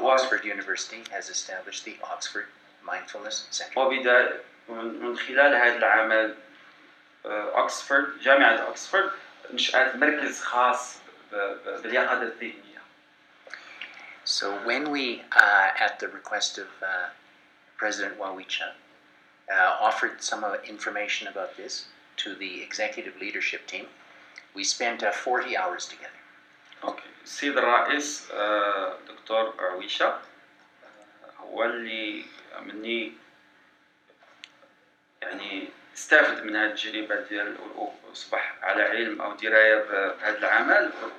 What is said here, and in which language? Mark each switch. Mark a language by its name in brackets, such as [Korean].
[English] وأكسفورد university has established the Oxford Mindfulness Center [Arabic] ومن خلال هذا العمل أكسفورد جامعة أكسفورد نشأت مركز خاص باليقظة الذهنية [English] So when we, at the request of President Wawicha, offered some information about this to the executive leadership team, we spent 40 hours together. Okay. [Arabic] سيد الرئيس دكتور عويشة هو اللي مني يعني استفدت من هذه التجربة ديال أصبح على علم أو دراية بهذا العمل